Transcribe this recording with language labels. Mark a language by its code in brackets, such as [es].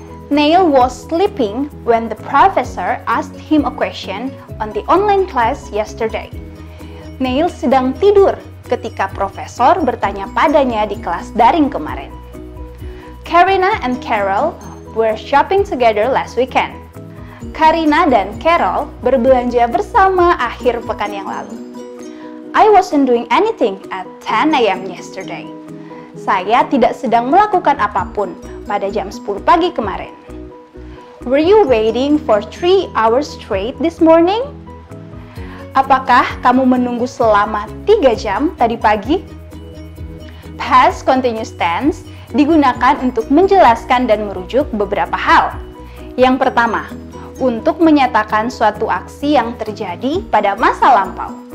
[en] Neil was sleeping when the professor asked him a question on the online class yesterday. [id] Neil sedang tidur ketika profesor bertanya padanya di kelas daring kemarin. [en] Karina and Carol were shopping together last weekend. [id] Karina dan Carol berbelanja bersama akhir pekan yang lalu. [en] I wasn't doing anything at 10 a.m. yesterday. [id] Saya tidak sedang melakukan apapun pada jam 10 pagi kemarin. [en] Were you waiting for 3 hours straight this morning? [id] Apakah kamu menunggu selama 3 jam tadi pagi? Past continuous tense digunakan untuk menjelaskan dan merujuk beberapa hal. Yang pertama, untuk menyatakan suatu aksi yang terjadi pada masa lampau.